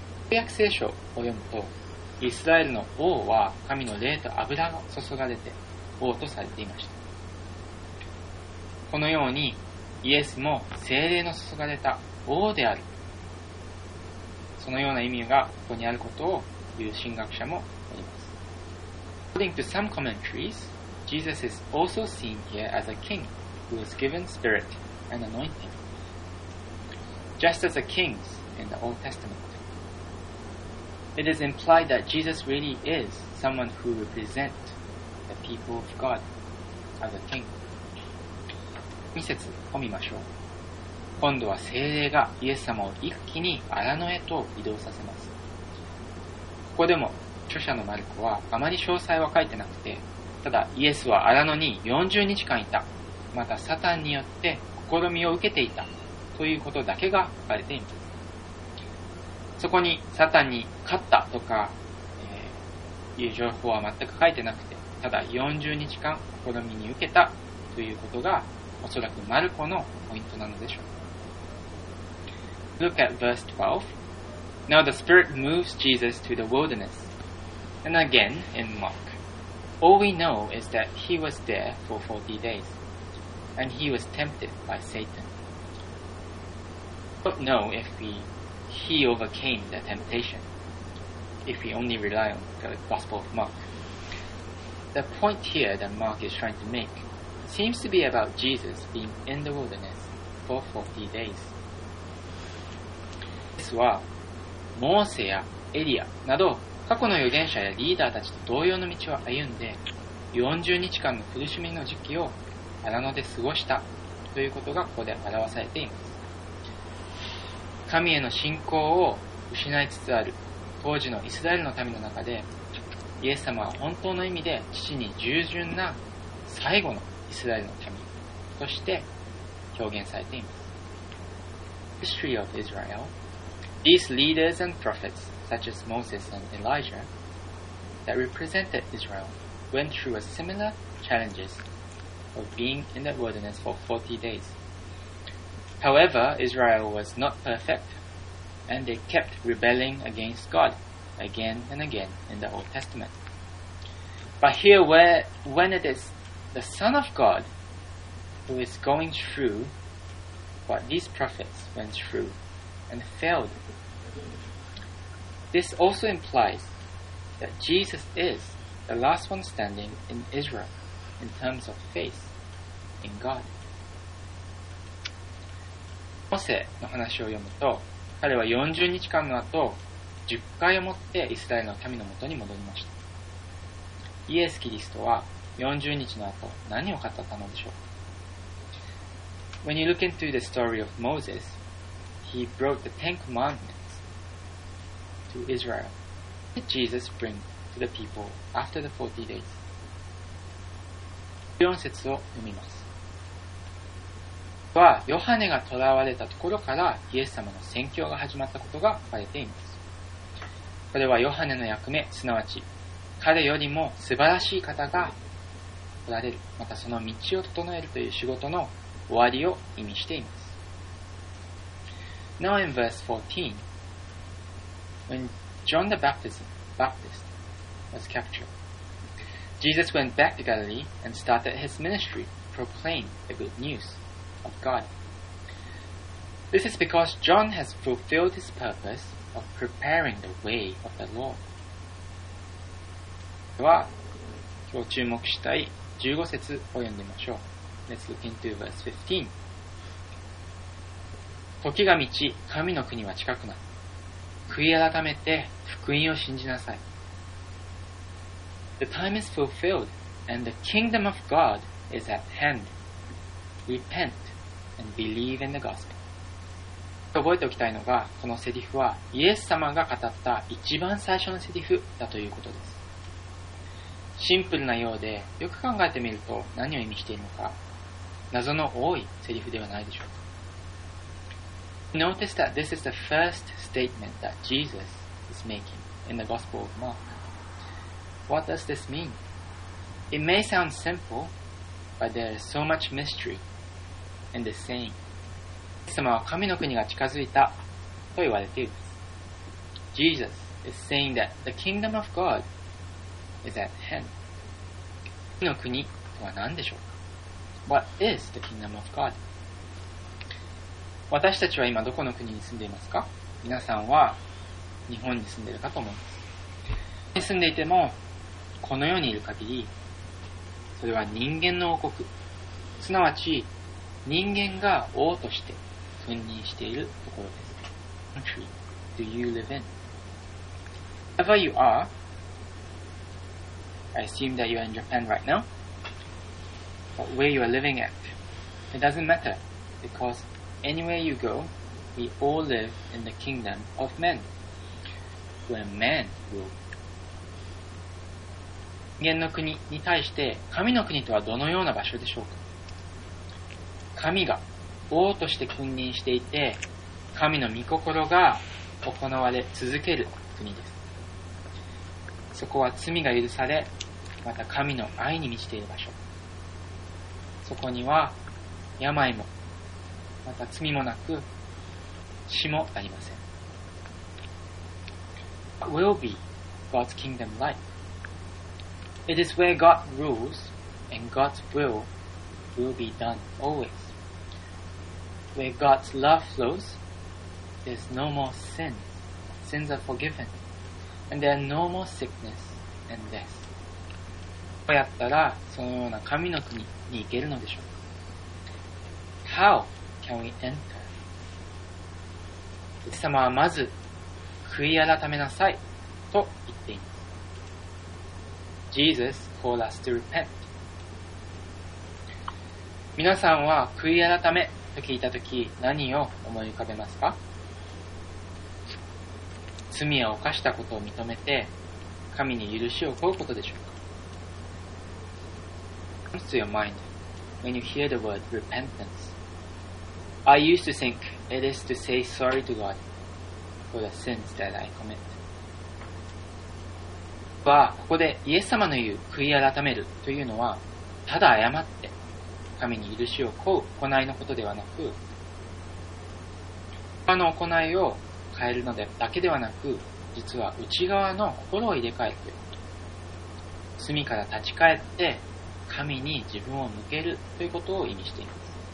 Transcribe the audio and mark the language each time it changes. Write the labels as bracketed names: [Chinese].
[Japanese] 旧約聖書を読むと、イスラエルの王は神の霊と油が注がれて王とされていました。このようにイエスも聖霊の注がれた王である。そのような意味がここにあることを言う神学者もあります。 [English] According to some commentaries, Jesus is also seen here as a king who was given spirit and anointing, just as the kings in the Old Testament. It is implied that Jesus really is someone who represents the people of God as a king. [Japanese] 2節を見ましょう。今度は聖霊がイエス様を一気に荒野へと移動させます。ここでも著者のマルコはあまり詳細は書いてなくて、ただイエスは荒野に40日間いた、またサタンによって試みを受けていたということだけが書かれています。そこにサタンに勝ったとか、いう情報は全く書いてなくて、ただ40日間試みに受けたということがおそらくマルコのポイントなのでしょう。 [English] Look at verse 12. Now the Spirit moves Jesus to the wilderness. And again in Mark. All we know is that he was there for 40 days. And he was tempted by Satan. Don't know if weHe overcame the temptation, if we only rely on the Gospel of Mark. The point here that Mark is trying to make seems to be about Jesus being in the wilderness for 40 days. [Japanese] イエスはモーセやエリアなど過去の預言者やリーダーたちと同様の道を歩んで40日間の苦しみの時期を荒野で過ごしたということがここで表されています。神への信仰を失いつつある当時のイスラエルの民の中でイエス様は本当の意味で父に従順な最後のイスラエルの民として表現されています。 [English] History of Israel. These leaders and prophets, such as Moses and Elijah, that represented Israel, went through a similar challenges of being in the wilderness for 40 days. However, Israel was not perfect, and they kept rebelling against God again and again in the Old Testament. But here, when it is the Son of God who is going through what these prophets went through and failed, this also implies that Jesus is the last one standing in Israel in terms of faith in God. [Japanese] モーセの話を読むと、彼は40日間の後、10回をもってイスラエルの民のもとに戻りました。イエス・キリストは40日の後、何を語ったのでしょう [English] ?When you look into the story of Moses, he brought the Ten Commandments to Israel. What did Jesus bring to the people after the 40 days? [Japanese] 14節を読みます。はヨハネが捕らわれたところからイエス様の宣教が始まったことが書かれています。これはヨハネの役目、すなわち彼よりも素晴らしい方がおられる、またその道を整えるという仕事の終わりを意味しています。 [English] Now in verse 14, when John the Baptist was captured, Jesus went back to Galilee and started his ministry, proclaiming the good news of God. This is because John has fulfilled his purpose of preparing the way of the Lord. [Japanese] では今日注目したい15節を読んでみましょう。 [English] Let's look into verse 15. [Japanese] 時が満ち、神の国は近くなる。悔い改めて福音を信じなさい。 [English] The time is fulfilled and the kingdom of God is at hand. Repent and believe in the gospel. [Japanese] 覚えておきたいのが、このセリフはイエス様が語った一番最初のセリフだということです。シンプルなようで、よく考えてみると何を意味しているのか、謎の多いセリフではないでしょうか。 [English] Notice that this is the first statement that Jesus is making in the Gospel of Mark. What does this mean? It may sound simple, but there is so much mystery in this saying. [Japanese] イエス様は神の国が近づいたと言われています。 [English] Jesus is saying that the kingdom of God is at hand. [Japanese] 神の国とは何でしょうか? [English] What is the kingdom of God? [Japanese] 私たちは今どこの国に住んでいますか?皆さんは日本に住んでいるかと思います。日本に住んでいても、この世にいる限り、それは人間の王国、すなわち人間が王として君臨しているところです。 [English] Country do you live in? Wherever you are,I assume that you are in Japan right now. But where you are living at, it doesn't matter. Because anywhere you go, we all live in the kingdom of men. Where men rule. [Japanese] 人間の国に対して神の国とはどのような場所でしょうか。神が王として君臨していて、神の御心が行われ続ける国です。そこは罪が許され、また神の愛に満ちている場所。そこには病も、また罪もなく、死もありません。 [English] What will be God's kingdom like? It is where God rules and God's will be done always. Where God's love flows, there's no more sin. Sins are forgiven. And there are no more sickness and death. [Japanese] どうやったらそのような神の国に行けるのでしょうか? [English] How can we enter? [Japanese] 神様はまず悔い改めなさいと言っています。 [English] Jesus called us to repent. [Japanese] 皆さんは悔い改めと聞いたとき何を思い浮かべますか? 罪を犯したことを認めて神に許しを請うことでしょうか? [English] Comes to your mind when you hear the word repentance. I used to think it is to say sorry to God for the sins that I commit. [Japanese] はここでイエス様の言う悔い改めるというのは、ただ謝って神に許しを請う行いのことではなく、他の行いを変えるのでだけではなく、実は内側の心を入れ替えるということ、罪から立ち返って神に自分を向けるということを意味しています。